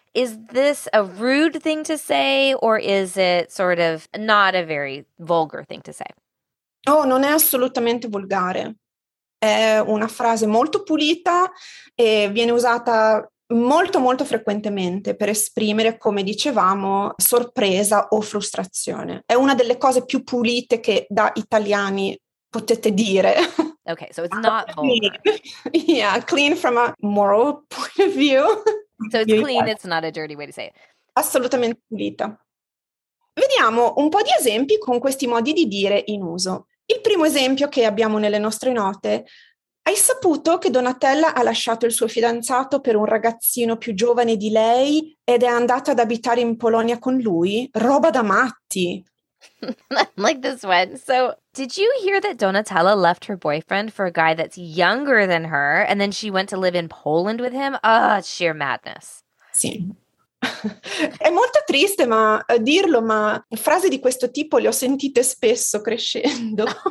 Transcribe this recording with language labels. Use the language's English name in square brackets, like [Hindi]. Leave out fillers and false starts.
[English] Is this a rude thing to say or is it sort of not a very vulgar thing to say? [Italian] Oh, non è assolutamente volgare. È una frase molto pulita e viene usata molto, molto frequentemente per esprimere, come dicevamo, sorpresa o frustrazione. È una delle cose più pulite che da italiani potete dire. [English] Okay, so it's not vulgar. Yeah, clean from a moral point of view. So it's clean, it's not a dirty way to say it. [Italian] Assolutamente pulita. Vediamo un po' di esempi con questi modi di dire in uso. Il primo esempio che abbiamo nelle nostre note: hai saputo che Donatella ha lasciato il suo fidanzato per un ragazzino più giovane di lei ed è andata ad abitare in Polonia con lui? Roba da matti! [English] Like this one. So, did you hear that Donatella left her boyfriend for a guy that's younger than her and then she went to live in Poland with him? Oh, sheer madness. [Italian] Sì. È molto triste ma dirlo, ma frasi di questo tipo le ho sentite spesso crescendo.